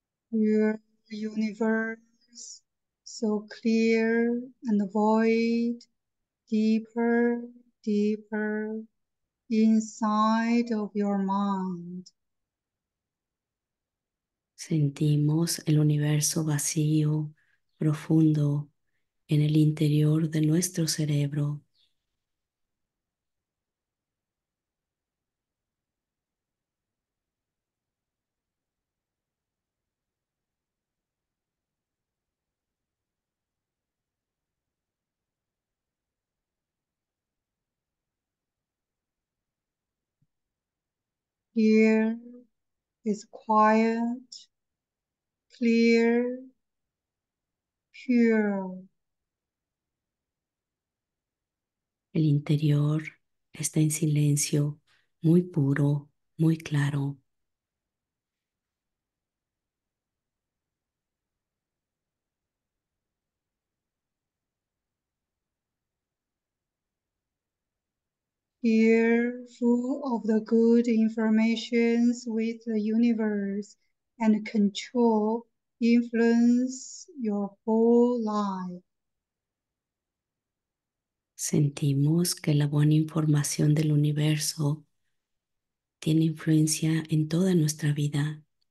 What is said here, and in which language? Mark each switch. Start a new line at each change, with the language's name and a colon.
English: Your universe, so clear and void, deeper, deeper inside of your mind.
Spanish: Sentimos el universo vacío, profundo, en el interior de nuestro cerebro.
English: Here is quiet, clear, pure.
Spanish: El interior está en silencio, muy puro, muy claro.
English: Here, full of the good informations with the universe and control influence your whole life.
Spanish: Sentimos que la buena información del universo tiene influencia en toda nuestra vida.